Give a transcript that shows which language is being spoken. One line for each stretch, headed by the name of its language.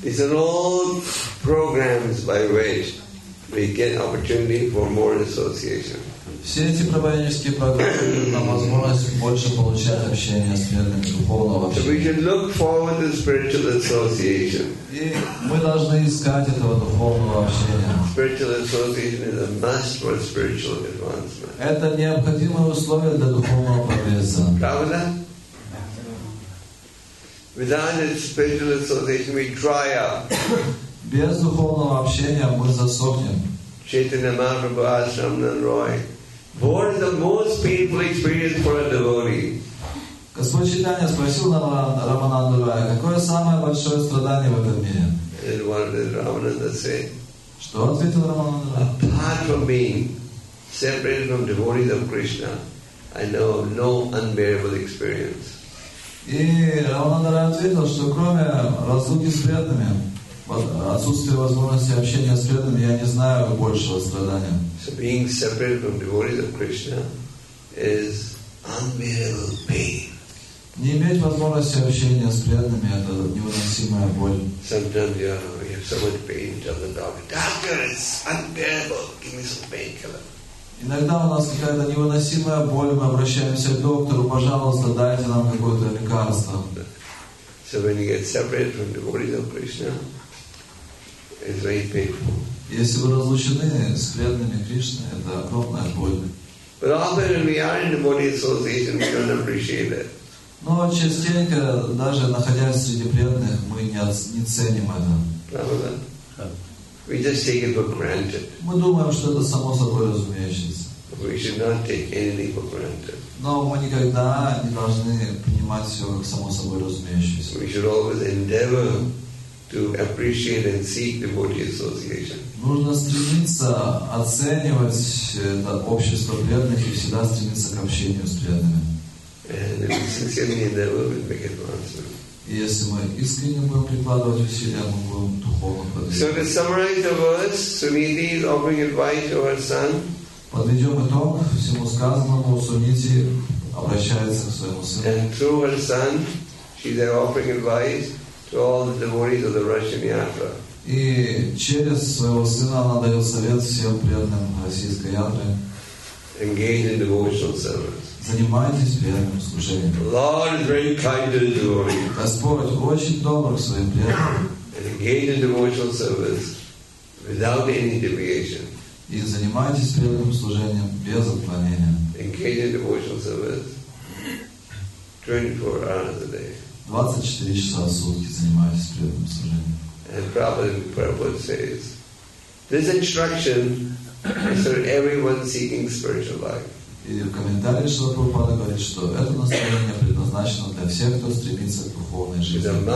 English: These are all programs by which we get opportunity for more association.
Russian: Все эти проповеднические программы дают нам возможность больше получать общение с преданными, духовного общения.
English: So we should look forward to spiritual association.
Russian: И мы должны искать этого духовного общения.
English: Spiritual association is a must for spiritual advancement.
Russian: Это необходимое условие для духовного прогресса. Правда?
English: Without a spiritual association, we dry up.
Russian: Без духовного общения мы засохнем.
English: Chaitanya Mahaprabhu asked Ramanan Roy, "What is the most painful experience for a devotee?"
Russian: Господь Чайтанья спросил Рамананду Роя, какое самое большое страдание в этом мире?
English: And what did Ramananda say?
Russian: Что ответил Рамананду Роя?
English: Apart from being separated from devotees of Krishna, I know of no unbearable experience.
Russian: И Рамананда Роя ответил, что кроме разлуки с преданными, отсутствия возможности общения с преданными, я не знаю большего страдания.
English: So being separated from devotees of Krishna is unbearable pain.
Russian: Не иметь возможности общения с преданными — это невыносимая боль.
English: Sometimes you have so much pain, tell the doctor, "Doctor, it's unbearable. Give me some painkiller."
Russian: Иногда у нас какая-то невыносимая боль, мы обращаемся к доктору, пожалуйста, дайте нам какое-то лекарство.
English: So when you get separated from devotees of Krishna, it's very painful.
Russian: Если вы разлучены с преданными Кришны, это огромная боль.
English: But often when we are in devotee association, we don't appreciate it.
Russian: Но частенько, даже находясь среди преданных, мы не ценим это. Правда?
English: We just take it for granted.
Russian: Мы думаем, что это само собой разумеющееся.
English: We should not take anything for granted.
Russian: Но мы никогда не должны принимать все как само собой разумеющееся.
English: We should always endeavor to appreciate and seek devotee association.
Russian: Нужно стремиться оценивать это общество преданных и всегда стремиться к общению с преданными.
English: And if we sincerely endeavor, we'll make advancement.
Russian: Если мы искренне будем прикладывать усилия, мы будем духовно продвигаться.
English: So to summarize the verse, Suniti is offering advice to her son.
Russian: Подведем итог всему сказанному. Суниди обращается к своему сыну.
English: And through her son, she's there offering advice to all the devotees of the Russian Yatra.
Russian: И через своего сына она дает совет всем преданным российской Ятры.
English: Engage in devotional service.
Russian: Занимайтесь преданным служением.
English: Lord is very kind to the devotee.
Russian: Господь очень добр к своим преданным.
English: Engage in devotional service without any deviation.
Russian: И занимайтесь преданным служением без отклонения.
English: Engage in devotional service 24 hours a day.
Russian: 24 часа в сутки занимайтесь преданным служением.
English: And Prabhupada says, this instruction is for everyone seeking spiritual life.
Russian: И в комментарии Шрила Прабхупада говорит, что это настроение предназначено для всех, кто стремится к духовной жизни.